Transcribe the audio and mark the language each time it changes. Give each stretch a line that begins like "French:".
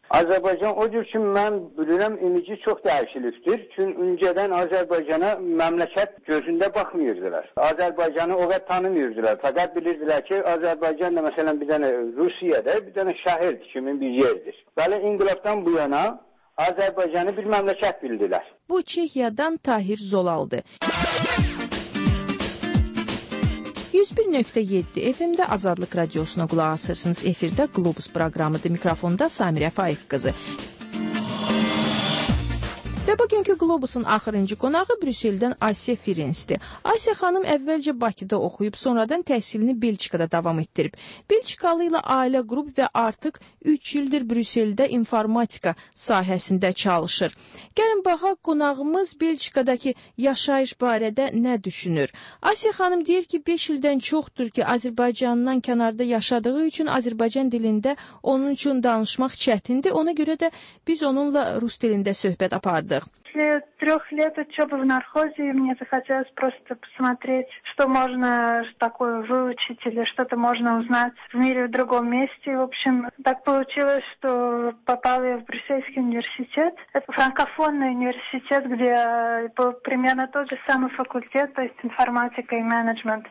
Azerbaijani: Azərbaycan o cür ki, mən bilirəm, imici çox dəyişilibdir. Çünki öncədən Azərbaycana məmləkət gözündə baxmıyırdılar. Azərbaycanı o qədər tanımıyırdılar. Fəqət bilirdilər ki, Azərbaycan da məsələn bir dənə Rusiyada, bir dənə şəhərdir kimi bir yerdir. Bəli, inqilabdan bu yana Azərbaycanı bir məmləkət bildilər. Bu Çexiyadan Tahir Zolaldı. 101.7 FM-də Azadlıq Radiosuna qulaq asırsınız. Efirdə Globus proqramıdır. Mikrofonda Samirə Faiq qızı. Və bugünkü Globusun axırıncı qonağı Brüsseldən Asiya Firinsdir. Asiya xanım əvvəlcə Bakıda oxuyub, sonradan təhsilini Belçikada davam etdirib. Belçikalı ilə ailə qrup və artıq 3 ildir Brüsseldə informatika sahəsində çalışır. Gəlin baxa, qonağımız Belçikadakı yaşayış barədə nə düşünür? Asiya xanım deyir ki, 5 ildən çoxdur ki, Azərbaycandan kənarda yaşadığı üçün Azərbaycan dilində onun üçün danışmaq çətindir. Ona görə də biz onunla rus dilində söhbət apardıq.
Russian: После трех лет учебы в нархозе мне захотелось просто посмотреть, что можно такое выучить или что-то можно узнать в мире в другом месте. В общем, так получилось, что попала я в Брюссельский университет. Это франкофонный университет, где был примерно тот же самый факультет, то есть информатика и менеджмент.